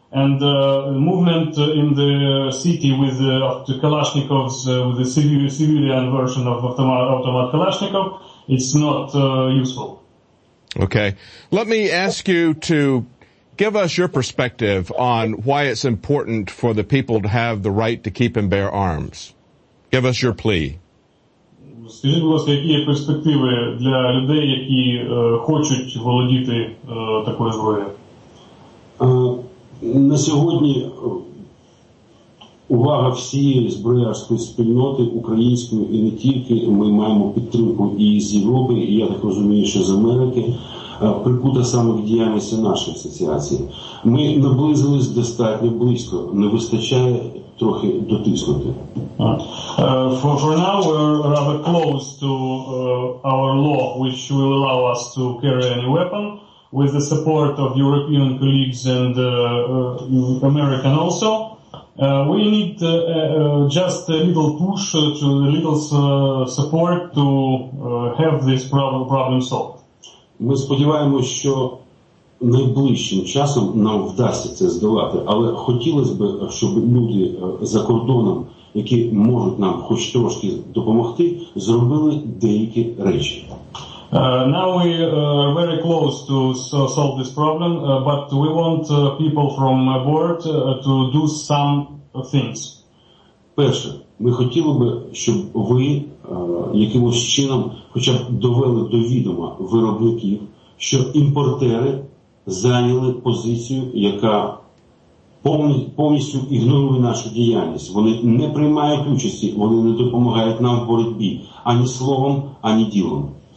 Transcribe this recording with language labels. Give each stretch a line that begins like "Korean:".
English: And movement in the city with the Kalashnikovs, with the civilian version of automatic Kalashnikov, it's not useful. Okay. Let me ask you to give us your perspective on why it's important for the people to have the right to keep and bear arms. Give us your plea.
Ukrainian: Скажіть, будь ласка, які є перспективи для людей, які хочуть володіти такою зброєю? На сьогодні увага всієї зброярської спільноти, української і не тільки, ми маємо підтримку і з Європи, і я так розумію, що з Америки, прикута саме до діяльності нашої асоціації. Ми наблизились достатньо близько, не вистачає трохи дотиснути.
English: For now, we're rather close to our law, which will allow us to carry any weapon, with the support of European colleagues and American also. We need just a little push, to a little support to have this problem solved.
Ukrainian: Ми сподіваємося, що найближчим часом нам вдасться це здолати, але хотілося б, щоб люди за кордоном, які можуть нам хоч трошки допомогти, зробили деякі речі.
English: Now we are very close to solve this problem, but we want people from abroad to do some things.
Ukrainian: Перше, ми хотіли б, щоб ви якимось чином хоча б довели до відома виробників, що імпортери зайняли позицію, яка повністю ігнорує нашу діяльність. Вони не приймають участі, вони не допомагають нам в боротьбі ані словом, ані ділом.